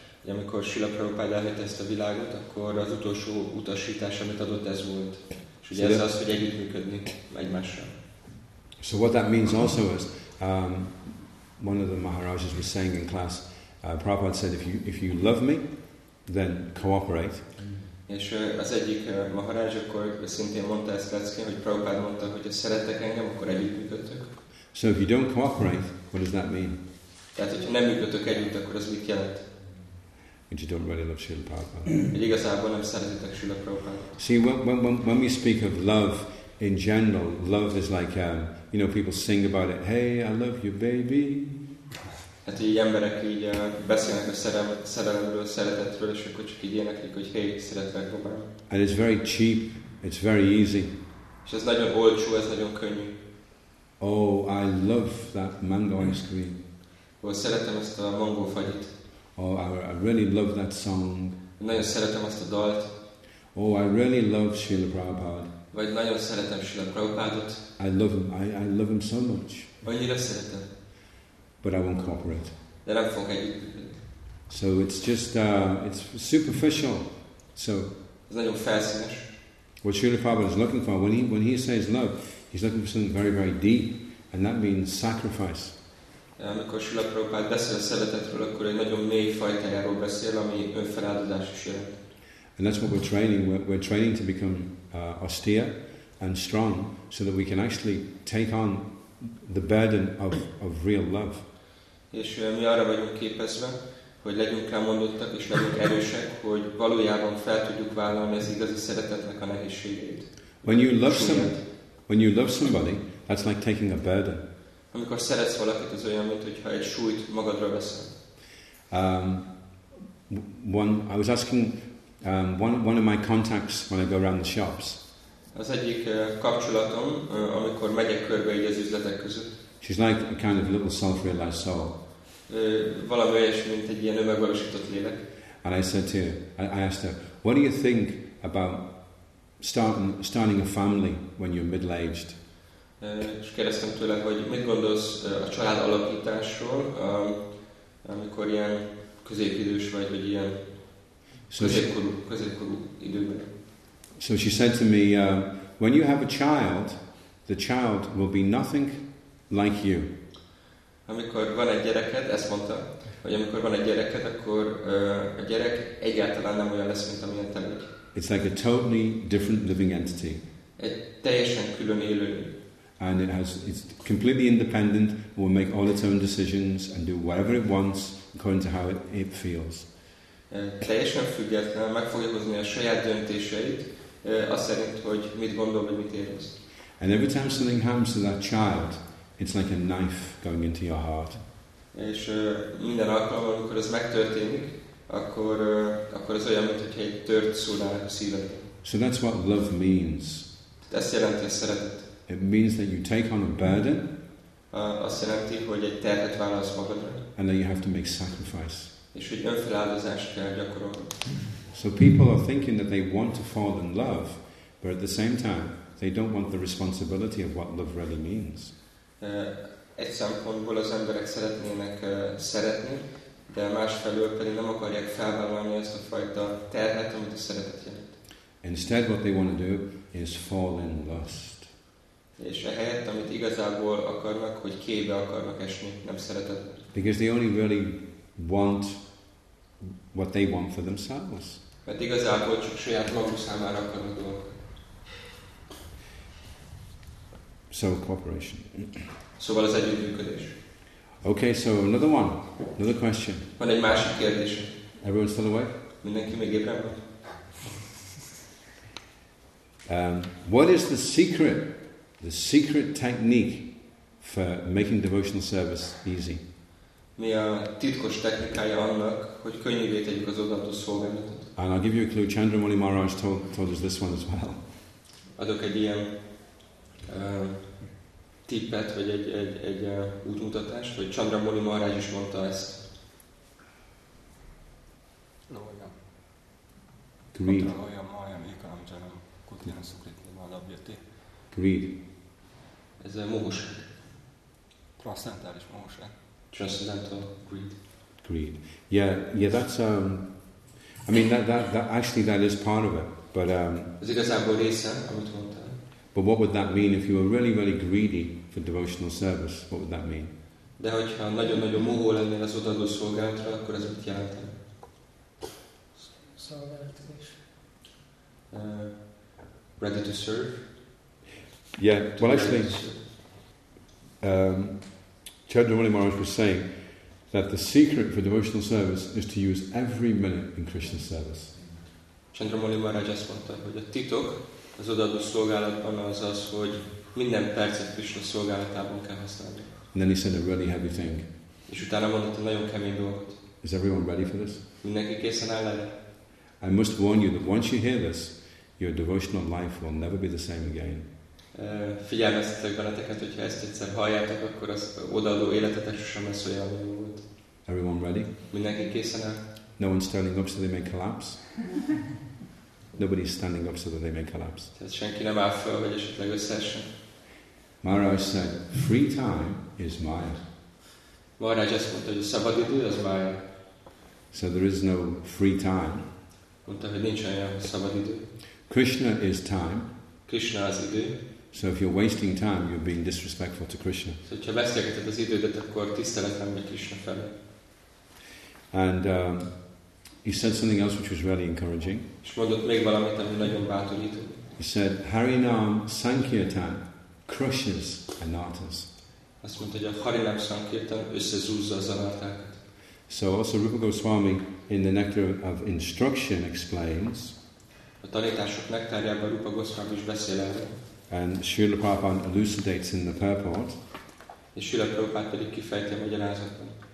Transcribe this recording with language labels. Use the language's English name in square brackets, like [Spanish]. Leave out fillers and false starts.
[Hungarian] Amikor Srila Prabhupád elhagyta ezt a világot, akkor az utolsó utasítás, amit adott, ez volt. És ugye ez az, hogy együttműködni egymással. [English] So what that means also is, one of the Maharajas was saying in class, Prabhupád said, if you love me, then cooperate. [Hungarian] És az egyik Maharaj akkor szintén mondta ezt leckén, hogy Prabhupád mondta, hogy ha szerettek engem, akkor együttműködtök. [English] So if you don't cooperate, what does that mean? [Hungarian] Tehát, hogyha nem működtök együtt, akkor az mit jelent? [English] And you don't really love Srila Prabhupada. [Hungarian] Igazából nem szeretitek Srila Prabhupada. [English] See, when we speak of love in general, love is like, you know, people sing about it. Hey, I love you, baby. [Hungarian] Hát így emberek így beszélnek a szerelemről, szeretetről, és akkor csak így éneklik, hogy hey, szeretlek, babám. [English] And it's very cheap, it's very easy. [Hungarian] És ez nagyon olcsó, ez nagyon könnyű. [English] Oh, I love that mango ice cream. [Hungarian] Ó, szeretem ezt a mango fagyit. [English] Oh, I really love that song. [Hungarian] Nagyon szeretem azt a dalt. [English] Oh, I really love Srila Prabhupada. [Hungarian] Vagy nagyon szeretem Srila Prabhupádot. [English] I love him. I love him so much. [Hungarian] Annyira szeretem. [English] But I won't cooperate. [Hungarian] De nem fogok együtt. [English] So it's just it's superficial. So. [Hungarian] Ez nagyon felszínes. [English] What Srila Prabhupada is looking for when he says love, he's looking for something very very deep, and that means sacrifice. [Hungarian] Amikor Srila Prabhupád beszél a szeretetről, akkor egy nagyon mély fajtájáról beszél, ami önfeláldozás is jelent. [English] And that's what we're training. We're training to become austere and strong, so that we can actually take on the burden of real love. [Hungarian] És mi arra vagyunk képezve, hogy legyünk lemondottak és legyünk erősek, hogy valójában fel tudjuk vállalni az igazi szeretetnek a nehézségét. [English] When you love somebody, that's like taking a burden. [Hungarian] Amikor szeretsz valakit, az olyan, mint hogyha egy súlyt magadra veszel. [English] I was asking one of my contacts when I go around the shops. [Hungarian] Az egyik kapcsolatom, amikor megyek körbe így az üzletek között. [English] She's like a kind of little self-realized soul. [Hungarian] Valami olyasmi, mint egy ilyen önmegvalósított lélek. [English] And I said to her, I asked her, what do you think about starting a family when you're middle-aged? [Hungarian] És kérdeztem tőle, hogy mit gondolsz a család alapításról, amikor ilyen középidős vagy, vagy ilyen középkorú időben. [English] So she said to me, when you have a child, the child will be nothing like you. [Hungarian] Amikor van egy gyereked, ezt mondta, hogy amikor van egy gyereked, akkor a gyerek egyáltalán nem olyan lesz, mint amilyen te vagy. [English] It's like a totally different living entity. [Hungarian] Egy teljesen külön élő. [English] And it's completely independent, will make all its own decisions and do whatever it wants according to how it feels. [Hungarian] Teljesen független, meg fogja hozni a saját döntéseit, azt szerint, hogy mit gondol, vagy mit érez. [English] And every time something happens to that child, it's like a knife going into your heart. [Hungarian] És minden alkalommal, amikor ez megtörténik, akkor ez olyan, mint hogy egy tört szúrnál a szíved. [English] So that's what love means. [Hungarian] Ezt jelenti a szeretet. [English] It means that you take on a burden. [Hungarian] Azt jelenti, hogy egy terhet válasz magadra. [English] And that you have to make sacrifice. [Hungarian] És hogy önfeláldozást kell gyakorolni. [English] So people are thinking that they want to fall in love, but at the same time, they don't want the responsibility of what love really means. [Hungarian] Egy szempontból az emberek szeretnének szeretni, de másfelől pedig nem akarják felvállalni ezt a fajta terhet, amit a szeretet jelent. [English] Instead, what they want to do is fall in lust. [Hungarian] És ehelyett, amit igazából akarnak, hogy kébe akarnak esni, nem szeretet. [English] Because they only really want what they want for themselves. [Hungarian] Mert igazából csak saját maguk számára akarnak dolgok. [English] So cooperation. [Hungarian] Szóval az együttműködés. [English] Okay, so another one, another question. [Hungarian] Van egy másik kérdés. [English] Everyone still awake? [Hungarian] Mindenki még ébren van? [English] What is the secret technique for making devotional service easy? [Hungarian] Mi a titkos technikája annak, hogy könnyűvé tegyük az odaadó szolgálatot? [English] And I'll give you a clue. Chandramouli Maharaj told us this one as well. [Hungarian] Adok egy ilyen tippet, vagy egy útmutatást, vagy Chandramouli Maharaj is mondta ezt. No, olyan. [English] Greed. Olyan maja, mikanam csanam, kutyán szukritni, valabjati. Greed. [Hungarian] Ez egy mohóság. Transcendentális mohóság. [English] Transcendental greed. Greed. Yeah, that's, I mean, that actually that is part of it, but... [Hungarian] Ez igazából része, amit mondtál. [English] But what would that mean if you were really, really greedy for devotional service? What would that mean? [Hungarian] De hogyha nagyon-nagyon mohó lennél az odaadó szolgálatra, akkor ez mit jelentene? Szolgálatkozás. [English] Ready to serve? Yeah, well actually, Chandramouli Maharaj was saying that the secret for devotional service is to use every minute in Krishna's service. [Hungarian] Chandramouli Maharaj azt mondta, hogy a titok az odaadó szolgálatban az, hogy minden percet Krishna szolgálatában kell használni. [English] And then he said a really heavy thing. [Hungarian] És utána mondott egy nagyon kemény dolgot. [English] Is everyone ready for this? [Hungarian] Mindenki készen áll erre? [English] I must warn you that once you hear this, your devotional life will never be the same again. [Hungarian] Figyelmeztetek benneteket, hogyha ezt egyszer halljátok, akkor az odaadó életetek sosem lesz olyan jó volt. [English] Everyone ready? [Hungarian] Mindenki készen áll? [English] No one's turning up so they may collapse. Nobody's standing up so that they may collapse. [Hungarian] Tehát senki nem áll föl, hogy esetleg összeessen. [English] Maharaj said, free time is maya. [Hungarian] Maharaj azt mondta, hogy a szabad idő az maya. [English] So there is no free time. [Hungarian] Mondta, hogy nincs olyan szabad idő. [English] Krishna is time. [Hungarian] Krishna az idő. [English] So if you're wasting time, you're being disrespectful to Krishna. [Hungarian] So, ha veszélyezteted az idődet, akkor tiszteletlen vagy Krishna felé. [English] And he said something else which was really encouraging. [Hungarian] És mondott még valamit, ami nagyon bátorító. [English] He said, Harinam Sankirtan crushes anartas. [Hungarian] Azt mondta, hogy a Harinam Sankirtan összezúzza az anartákat. [English] So also Rupa Goswami in the Nectar of Instruction explains. [Hungarian] A tanítások nektárjában Rupa Goswami is beszél erről. [English] And Srila Prabhupada elucidates in the purport. [Hungarian] És Srila Prabhupada pedig kifejti a magyarázatban.